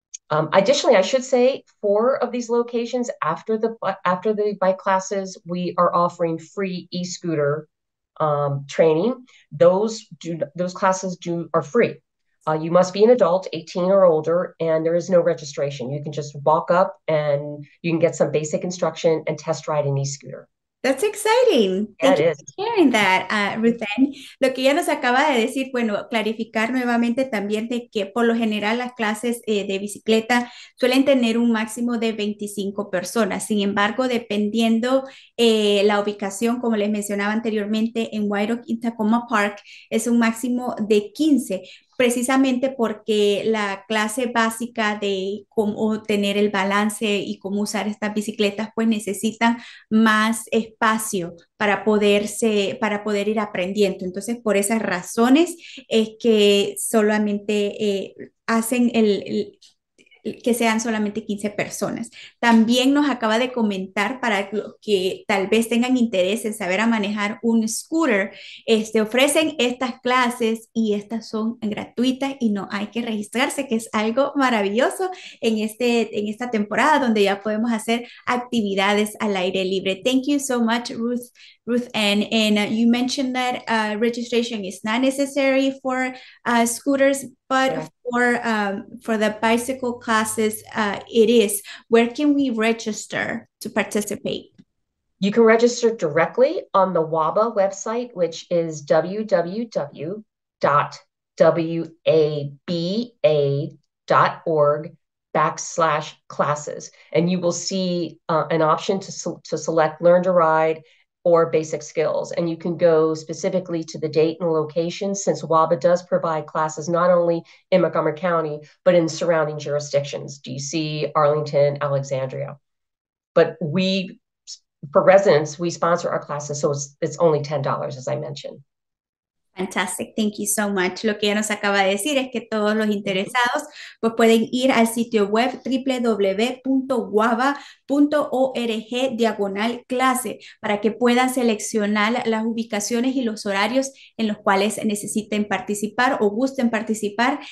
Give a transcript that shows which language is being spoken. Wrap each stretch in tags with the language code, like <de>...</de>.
<en>Additionally, I should say four of these locations after the bike classes, we are offering free e-scooter training. Those classes are free. You must be an adult, 18 or older, and there is no registration. You can just walk up and you can get some basic instruction and test ride an e-scooter. That's exciting. Yeah, Thank it you is. for sharing that, Ruth Ann.</en> <es>Lo que ya nos acaba de decir, bueno, clarificar nuevamente también de que por lo general las clases de bicicleta suelen tener un máximo de 25 personas. Sin embargo, dependiendo la ubicación, como les mencionaba anteriormente, en White Oak y Tacoma Park es un máximo de 15. Precisamente porque la clase básica de cómo tener el balance y cómo usar estas bicicletas, pues necesitan más espacio para poder ir aprendiendo. Entonces, por esas razones es que solamente hacen que sean solamente 15 personas. También nos acaba de comentar para que tal vez tengan interés en saber a manejar un scooter, ofrecen estas clases y estas son gratuitas y no hay que registrarse, que es algo maravilloso en esta temporada donde ya podemos hacer actividades al aire libre.</es> <en>Thank you so much, Ruth. Ruth Ann, you mentioned that registration is not necessary for scooters, but for the bicycle classes, it is. Where can we register to participate? You can register directly on the WABA website, which is www.waba.org/classes. And you will see an option to select learn to ride or basic skills. And you can go specifically to the date and location, since WABA does provide classes not only in Montgomery County, but in surrounding jurisdictions, DC, Arlington, Alexandria. But we, for residents, we sponsor our classes, so it's only $10, as I mentioned. Fantastic, thank you so much.</en> <es>Lo que ya nos acaba de decir es que todos los interesados pues pueden ir al sitio web www.waba.org/clase para que puedan seleccionar las ubicaciones y los horarios en los cuales necesiten participar o gusten participar.</es>